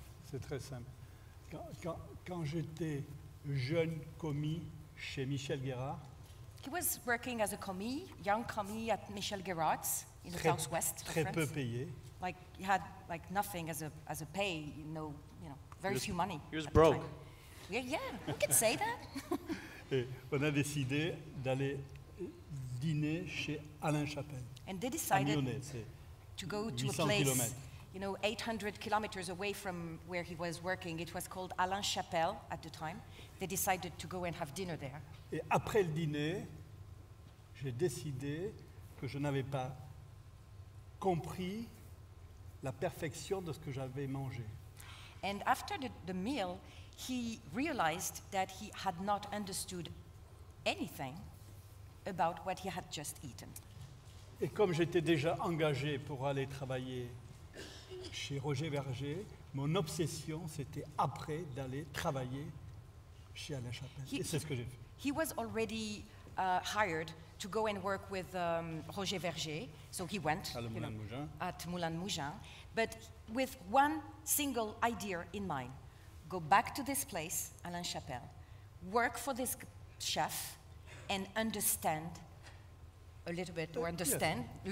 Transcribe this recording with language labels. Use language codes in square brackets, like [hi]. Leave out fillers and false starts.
[fr] C'est très simple. Quand j'étais jeune commis chez Michel Guérard. [en] He was working as a commis, young commis at Michel Guérard's in the southwest. [fr] Très peu payé. [en] Like he had like nothing as a pay, you know, very few money. He was broke. Yeah, who could say that? [fr] Et on a décidé d'aller dîner chez Alain Chapelle. [en] And they decided to go to a place, you know, 800 kilometers away from where he was working. It was called Alain Chapelle at the time. They decided to go and have dinner there. [fr] Et après le dîner, j'ai décidé que je n'avais pas compris la perfection de ce que j'avais mangé. [en] And after the meal, he realized that he had not understood anything about what he had just eaten. [fr] Et comme j'étais déjà engagé pour aller travailler chez Roger Verger, mon obsession, c'était après d'aller travailler chez Alain Chapelle. Et c'est ce que j'ai fait. [en] He was already hired to go and work with Roger Verger. So he went at Moulin de Mougins. But with one single idea in mind, go back to this place, Alain Chapelle, work for this chef and understand a little bit, or understand, yes.